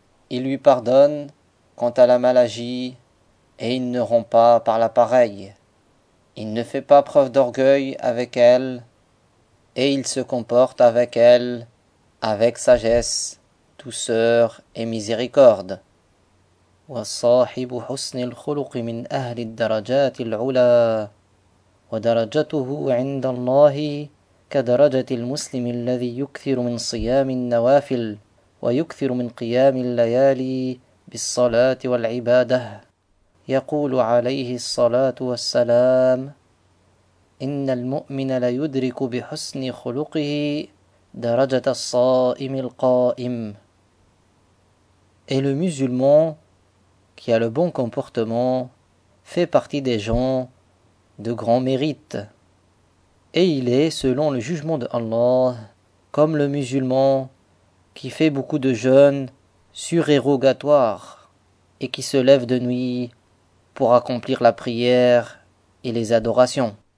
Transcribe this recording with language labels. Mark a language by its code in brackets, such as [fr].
[fr] Il lui pardonne quand elle a mal agi, et il ne rompt pas par la pareille. Il ne fait pas preuve d'orgueil avec elle, et il se comporte avec elle avec sagesse, douceur et miséricorde. [ar] وصاحب حسن الخلق من أهل الدرجات العلا ودرجته عند الله كدرجة المسلم الذي يكثر من صيام النوافل ويكثر من قيام الليالي بالصلاة والعبادة يقول عليه الصلاة والسلام إن المؤمن ليدرك بحسن خلقه درجة الصائم القائم. [fr] Et le musulman qui a le bon comportement fait partie des gens de grand mérite. Et il est, selon le jugement de Allah, comme le musulman qui fait beaucoup de jeûnes surérogatoires et qui se lève de nuit pour accomplir la prière et les adorations.